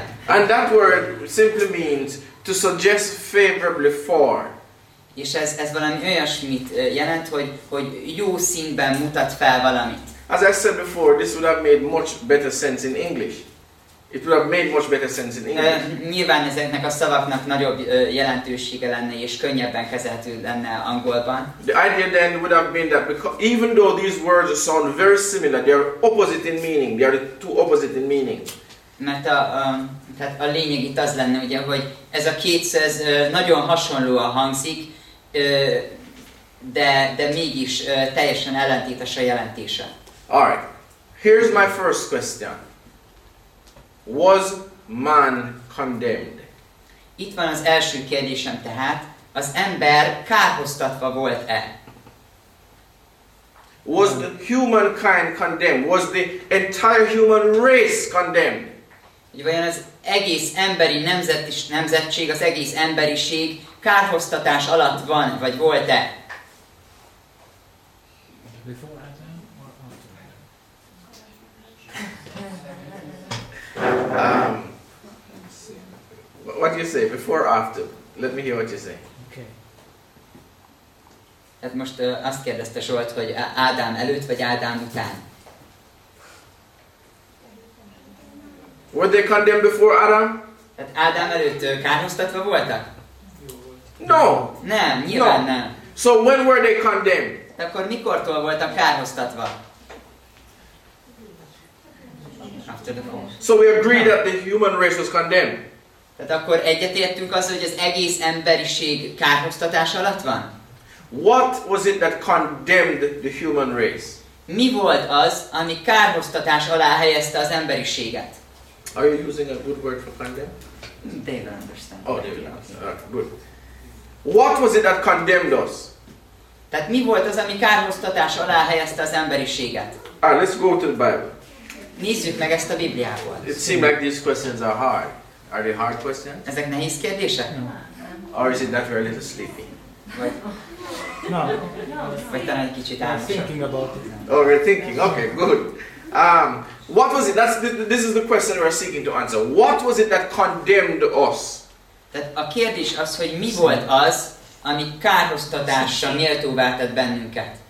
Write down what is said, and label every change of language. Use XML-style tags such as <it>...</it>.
<en>And that word simply means to suggest favorably for.</en> <hu>És ez valami olyasmit jelent, hogy jó színben mutat fel valamit.</hu> <en>As I said before, this would have made much better sense in English. It would have made much better sense in English.</en> <hu>Nyilván ezeknek a szavaknak nagyobb jelentősége lenne, és könnyebben kezelhető lenne angolban.</hu> <en>The idea then would have been that even though these words sound very similar, they are opposite in meaning. They are two opposite in meaning.</en> <hu>Mert a lényeg itt az lenne, ugye, hogy ez a két szó nagyon hasonlóan hangzik, de mégis teljesen ellentétes a jelentése.</hu> <en>Alright, here's my first question. Was man condemned?</en> <hu>Itt van az első kérdésem tehát, az ember kárhoztatva volt-e?</hu> <en>Was the humankind condemned? Was the entire human race condemned?</en> <hu>Hogy vajon az egész emberi nemzetség, az egész emberiség kárhoztatás alatt van, vagy volt-e?</hu> <en>What do you say? Before or after? Let me hear what you say. Okay.</en> <hu>Hát most azt kérdezte Zsolt, hogy Ádám előtt, vagy Ádám után?</hu> <en>Were they condemned before Adam?</en> <hu>Tehát Ádám előtt kárhoztatva voltak?</hu> <en>No.</en> <hu>Nem, nyilván</hu> <en>no.</en> <hu>Nem.</hu> <en>So when were they condemned?</en> <hu>De akkor mikortól voltak kárhoztatva?</hu> <en>After the fall. So we agree that the human race was condemned.</en> <hu>Tehát akkor egyetértünk azzal, hogy az egész emberiség kárhoztatás alatt van?</hu> <en>What was it that condemned the human race?</en> <hu>Mi volt az, ami kárhoztatás alá helyezte az emberiséget?</hu> <en>Are you using a good word for condemn? They don't understand. Oh, they don't understand. Right, good. What was it that condemned us?</en> <hu>Tehát mi volt az, ami kárhoztatás alá helyezte az emberiséget?</hu> <en>All right, let's go to the Bible.</en> <hu>Nézzük meg ezt a Bibliából.</hu> <en>It seems like these questions are hard. Are they hard questions?</en> <hu>Ezek nehéz kérdések?</hu> <en>No. Or is it that we're a little sleepy? No.</en> <hu>Vagy talán egy kicsit álmosak.</hu> <en>We're thinking about it. Oh, we're thinking. Okay, good. What was it? This is the question we're seeking to answer. What was it that condemned us?</en> <hu>Tehát a kérdés az, hogy mi volt az, ami kárhoztatásra méltóvá tett bennünket.</hu>